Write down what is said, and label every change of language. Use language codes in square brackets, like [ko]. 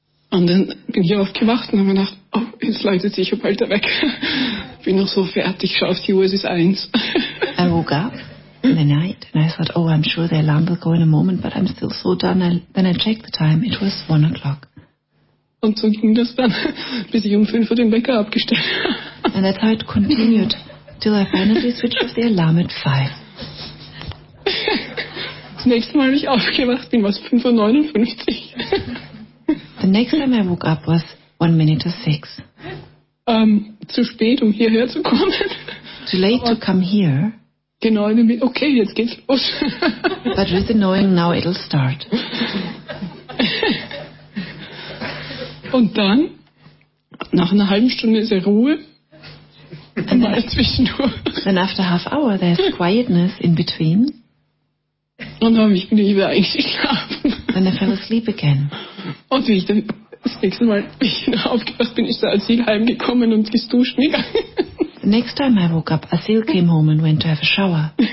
[de] Und dann bin ich aufgewacht und habe gedacht, oh, jetzt läutet sich ja bald weg. Bin noch so fertig, schau auf die Uhr, es ist eins. [en] I woke up in the night and I thought, oh, I'm sure the alarm will go in a moment, but I'm still so done. Then I checked the time, it was 1 o'clock. [de] Und so ging das dann, bis ich 5 Uhr den Wecker abgestellt habe. [en] And that's how it continued, till I finally switched off the alarm at 5. [de] Das nächste Mal, wie ich aufgewacht bin, war es 5.59 Uhr. [en] The next time I woke up was 1 minute to 6. [de] Zu spät, um hierher zu kommen. [en] Too late to come here. [de] Genau, okay, jetzt geht's los. [en] But with the knowing now it'll start. [de] Und dann, nach einer halben Stunde ist Ruhe. [en] And then after half hour, there's quietness in between. [de] Und dann bin ich wieder eingeschlafen. [en] Then I fell asleep again. [de] Und wie ich dann das nächste Mal aufgewacht bin, ist der Asyl heimgekommen und ist duschen gegangen. [en] The next time I woke up, Asyl came home and went to have a shower.